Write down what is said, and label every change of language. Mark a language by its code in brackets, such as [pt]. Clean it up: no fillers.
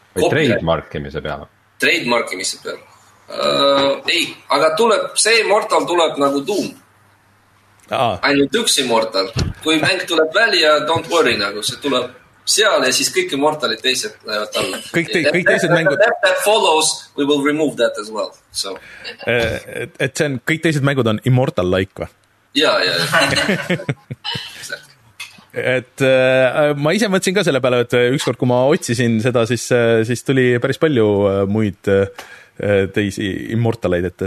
[et] Või trademarkimise peale? Trademarkimise peale? Ei, aga see Immortal tuleb nagu Doom. Ainult üks Immortal. Kui mäng tuleb välja, [en] don't worry, [et] nagu see tuleb seal ja siis kõik Immortalid teised lähevad alla. Kõik teised mängud. [en] That follows, we will remove that as well. So. [et] Et see on, kõik teised mängud on Immortal-like, või? Jah. Et ma ise mõtsin ka selle peale, et ükskord kui ma otsisin seda, siis tuli päris palju muid teisi immortaleid.